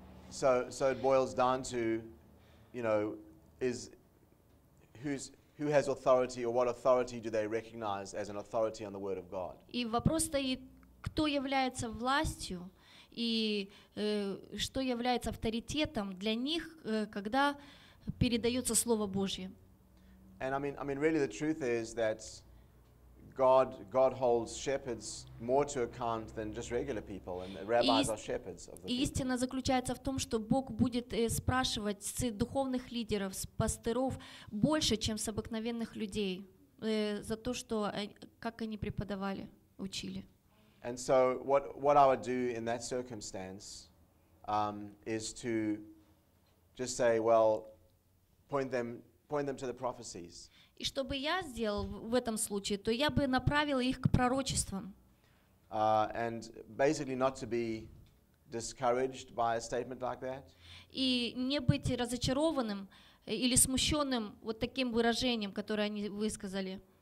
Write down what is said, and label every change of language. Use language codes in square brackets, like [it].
[en] So it boils down to, you know, is who has authority or what authority do they recognize as an authority on the Word of God? [ru] И вопрос стоит, кто является властью и что является авторитетом для них, когда передается Слово Божье. [en] And I mean really the truth is that God holds shepherds more to account than just regular people, and the rabbis are shepherds of the people. [ru] Истина заключается в том, что Бог будет спрашивать с духовных лидеров, с пастыров больше, чем с обыкновенных людей, за то, что как они преподавали, учили. [en] And so what I would do in that circumstance is to just say, well, point them to the prophecies. [ru] И что бы я сделал в этом случае, то я бы направил их к пророчествам. [en] And basically not to be discouraged by a statement like that. [ru] И не быть разочарованным или смущенным вот таким выражением, которое они высказали.